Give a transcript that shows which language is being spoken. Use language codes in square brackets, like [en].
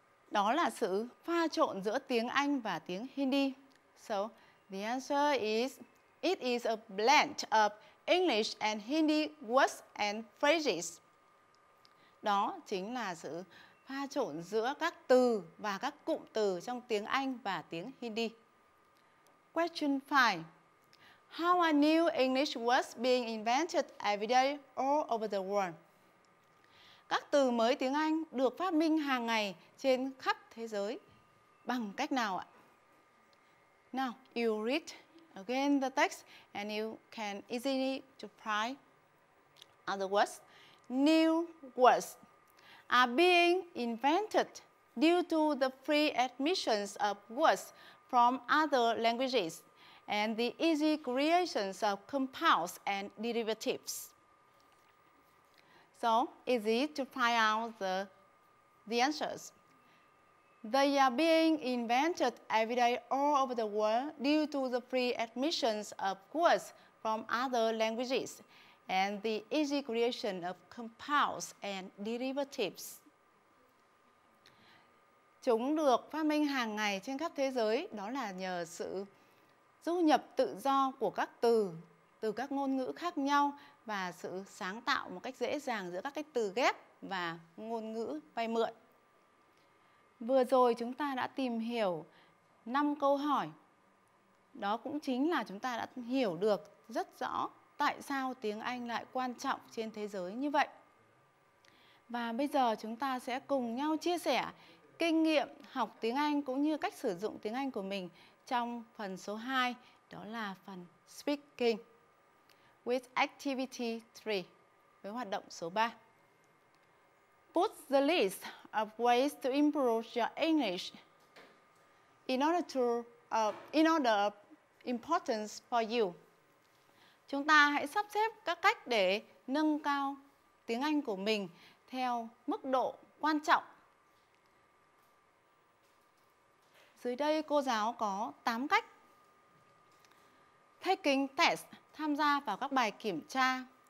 [vi] Đó là sự pha trộn giữa tiếng Anh và tiếng Hindi. [en] So, the answer is, it is a blend of English and Hindi words and phrases. [vi] Đó chính là sự pha trộn giữa các từ và các cụm từ trong tiếng Anh và tiếng Hindi. [en] Question 5. How are new English words being invented every day all over the world? [vi] Các từ mới tiếng Anh được phát minh hàng ngày trên khắp thế giới bằng cách nào ạ? [en] Now, you read again the text and you can easily to try. Other words, new words are being invented due to the free admissions of words from other languages and the easy creations of compounds and derivatives. So, easy to find out the answers. They are being invented every day all over the world due to the free admissions of words from other languages and the easy creation of compounds and derivatives. [vi] Chúng được phát minh hàng ngày trên khắp thế giới, đó là nhờ sự du nhập tự do của các từ, từ các ngôn ngữ khác nhau và sự sáng tạo một cách dễ dàng giữa các cái từ ghép và ngôn ngữ vay mượn. Vừa rồi chúng ta đã tìm hiểu 5 câu hỏi. Đó cũng chính là chúng ta đã hiểu được rất rõ tại sao tiếng Anh lại quan trọng trên thế giới như vậy. Và bây giờ chúng ta sẽ cùng nhau chia sẻ kinh nghiệm học tiếng Anh cũng như cách sử dụng tiếng Anh của mình trong phần số 2, đó là phần [en] Speaking with Activity 3, [vi] với hoạt động số 3. [en] Put the list of ways to improve your English in order of importance for you. [vi] Chúng ta hãy sắp xếp các cách để nâng cao tiếng Anh của mình theo mức độ quan trọng. Dưới đây cô giáo có 8 cách. [en] Taking tests, [vi] tham gia vào các bài kiểm tra.